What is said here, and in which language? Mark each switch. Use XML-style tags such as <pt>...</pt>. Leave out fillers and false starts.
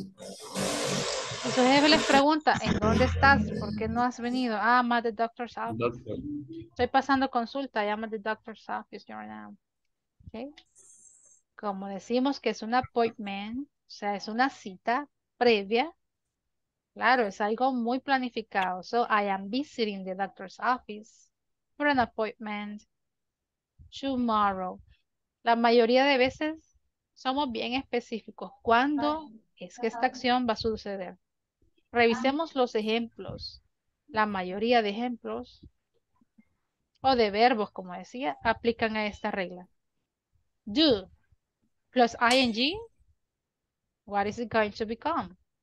<es>Y su jefe les pregunta, ¿en dónde estás? ¿Por qué no has venido?</es> <en>Ah, I'm at the doctor's office. Doctor.</en> <es>Estoy pasando consulta,</es> <en>I'm at the doctor's office right now.</en> <es>Okay. Como decimos que es un appointment, o sea, es una cita previa. Claro, es algo muy planificado.</es> <en>So, I am visiting the doctor's office for an appointment tomorrow.</en> <es>La mayoría de veces somos bien específicos. ¿Cuándo es que esta acción va a suceder? Revisemos los ejemplos. La mayoría de ejemplos o de verbos, como decía, aplican a esta regla.</es> <en>Do plus ing, what is it going to become?</en>